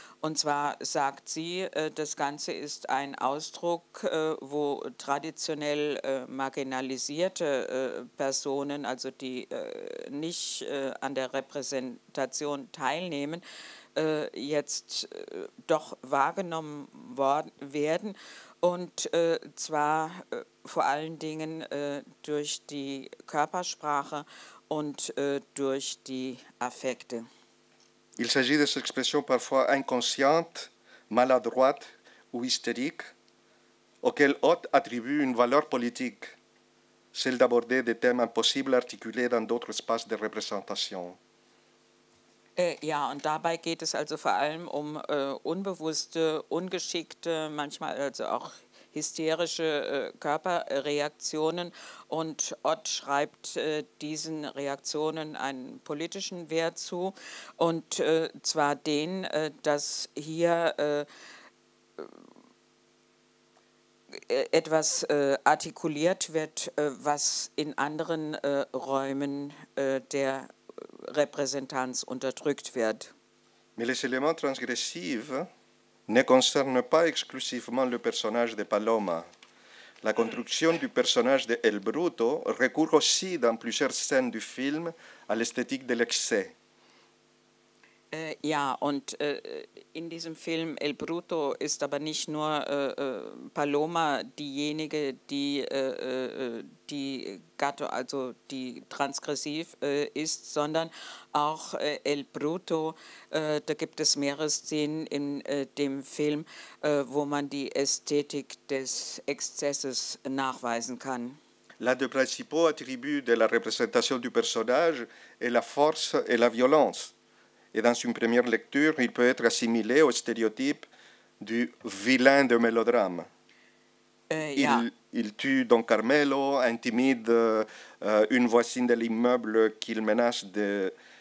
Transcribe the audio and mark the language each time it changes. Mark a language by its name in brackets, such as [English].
[German] Und zwar sagt sie, das Ganze ist ein Ausdruck, wo traditionell marginalisierte Personen, also die nicht an der Repräsentation teilnehmen, jetzt doch wahrgenommen werden. Und zwar vor allen Dingen durch die Körpersprache und durch die Affekte. [French] Il s'agit de ces expressions parfois inconscientes, maladroites ou hystériques, auxquelles Ott attribue une valeur politique, celle d'aborder des thèmes impossibles à articuler dans d'autres espaces de représentation. [German] Ja, und dabei geht es also vor allem um unbewusste, ungeschickte, manchmal also auch hysterische Körperreaktionen. Und Ott schreibt diesen Reaktionen einen politischen Wert zu. Und zwar den, dass hier etwas artikuliert wird, was in anderen Räumen der Repräsentanz unterdrückt wird. [French] Mais les éléments transgressifs ne concernent pas exclusivement le personnage de Paloma. La construction du personnage de El Bruto recourt aussi dans plusieurs scènes du film à l'esthétique de l'excès. [German] Ja, und in diesem Film El Bruto ist aber nicht nur Paloma diejenige, die die Gatto, also die transgressiv ist, sondern auch El Bruto. Da gibt es mehrere Szenen in dem Film, wo man die Ästhetik des Exzesses nachweisen kann. [French] L'un des principaux attributs de la représentation du personnage est la force et la violence. Et dans une première lecture, il peut être assimilé au stéréotype du vilain de mélodrame. Il tue Don Carmelo, intimide une voisine de l'immeuble qu'il menace de...